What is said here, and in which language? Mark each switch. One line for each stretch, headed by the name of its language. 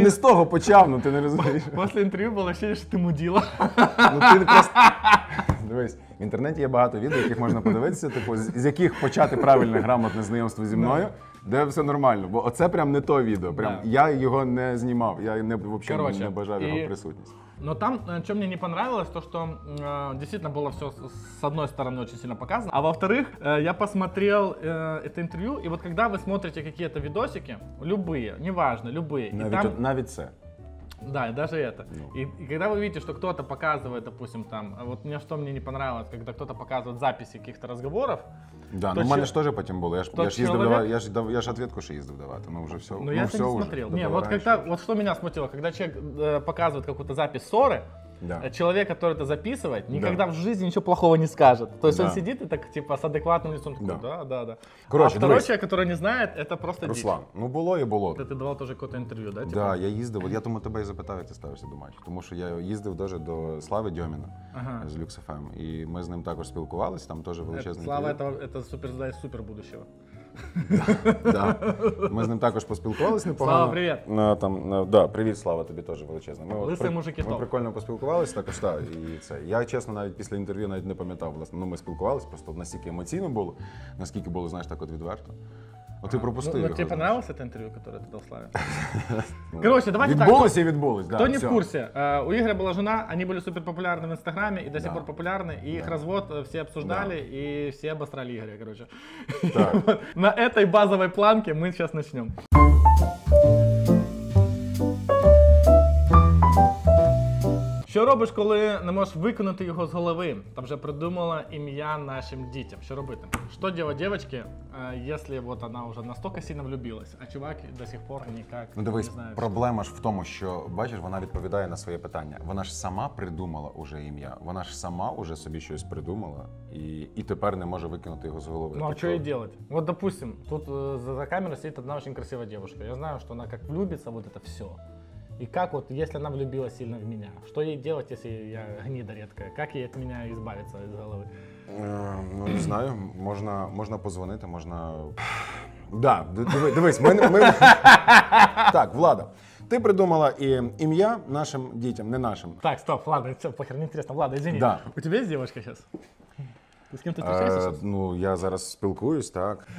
Russian: Ты не с того почав, но ты не разумеешь. После интервью было ощущение, что ты мудила. Ну ты просто...
Ukrainian: Дивись, в інтернеті є багато відео, яких можна подивитися, типу, з яких почати правильне грамотне знайомство зі мною, де все нормально. Бо оце прям не то відео. Прям я його не знімав, я не,
Russian: вообще,
Ukrainian: короче, не бажав його присутність.
Russian: Но там, что мне не понравилось, то, что действительно было все с одной стороны очень сильно показано. А во-вторых, я посмотрел это интервью, и вот когда вы смотрите какие-то видосики, любые, неважно, любые.
Ukrainian: Навіть це.
Russian: Да, даже это. Ну. И когда вы видите, что кто-то показывает, допустим, там, вот мне что мне не понравилось, когда кто-то показывает записи каких-то разговоров. Да, ну у меня же тоже потом было, я ж ответку еще ездил давать, ну уже все, ну я все не смотрел. Не, вот раньше. Когда, вот что меня смутило, когда человек показывает какую-то запись ссоры, Да. Человек, который это записывает, никогда в жизни ничего плохого не скажет. То есть он сидит и так, типа, с адекватным лицом такой, да. Короче, а второй человек, который не знает, это просто
Ukrainian: дичь. Руслан, ну було і було. Ти давав теж якесь інтерв'ю, да? Да, я їздив, я тому тебе і запитав, як ти ставишся до матчу. Тому що я їздив даже до Слави Дьоміна з Lux FM. І ми з ним також спілкувалися, там теж величезний інтерв'ю. Слава – це суперзвезда з супербудущого. Да, да. Ми з ним також поспілкувалися непогано. Слава, привіт! Да, привіт, Слава, тобі теж величезно. Лисий мужики топ. Ми прикольно поспілкувалися, також так. І це. Я, чесно, навіть після інтерв'ю навіть не пам'ятав, власне. Ну, ми спілкувалися, просто настільки емоційно було, наскільки було, знаєш, так от відверто. От ти пропустив його. Ну, тобі понравилося те інтерв'ю, яке ти дав Славі? Коротше, давайте відбулось так. Відбулось, да. Хто не в курсі, у Ігоря була жена, вони були суперпопулярні в Інстаграмі і
Russian: до сих пор
Ukrainian: популярні. І їх розвод всі обсуждали і всі обосрали Ігоря, коротше. Так.
Russian: На этой базовой планке мы сейчас начнем.
Ukrainian: Що робиш, коли не можеш викинути його з голови? Та вже придумала ім'я нашим дітям. Що робити? Що робити дівчинці, якщо вот вона вже настільки сильно влюбилась, а чувак
Russian: до сих пор
Ukrainian: ніяк, ну, дивись, не знає. Проблема ж в тому, що, бачиш, вона відповідає на своє питання. Вона ж сама придумала уже ім'я. Вона ж сама уже собі щось придумала і тепер не може викинути його з голови. Ну, а що їй робити? От, допустим, тут за камерою сидить одна дуже красива дівчинка. Я знаю, що вона як влюбиться,
Russian: вот это все. И как вот, если она влюбилась сильно в меня, что ей делать, если я гнида редкая? Как ей от меня избавиться из головы? Ну, не знаю, можно позвонить, можно... Да, дивись, мы... Так, Влада, ты придумала и имя нашим детям, не нашим. Так, стоп, Влада, все, похер, неинтересно. Влада, извини, да. У тебя есть девочка сейчас? Ты с кем-то встречаешься?
Ukrainian: Ну, я зараз спілкуюсь, так.